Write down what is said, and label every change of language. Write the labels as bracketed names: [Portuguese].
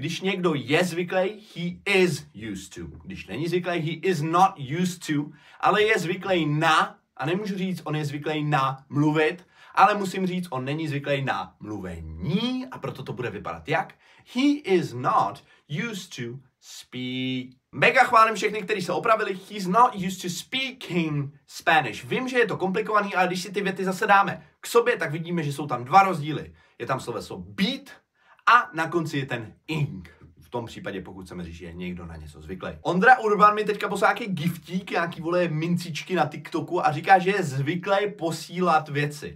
[Czech] Když někdo je zvyklý, he is used to. Když není zvyklý, he is not used to. Ale je zvyklý na, a nemůžu říct, on je zvyklý na mluvit, ale musím říct, on není zvyklý na mluvení, a proto to bude vypadat jak? [English] He is not used to speak. [Czech] Mega chválím všechny, kteří se opravili. [English] He's not used to speaking Spanish. [Czech] Vím, že je to komplikovaný, ale když si ty věty zase dáme k sobě, tak vidíme, že jsou tam dva rozdíly. Je tam sloveso být a na konci je ten ing. V tom případě, pokud chceme říct, že je někdo na něco zvyklý. Ondra Urban mi teďka poslal nějaký giftík, nějaký vole mincičky na TikToku a říká, že je zvyklý posílat věci.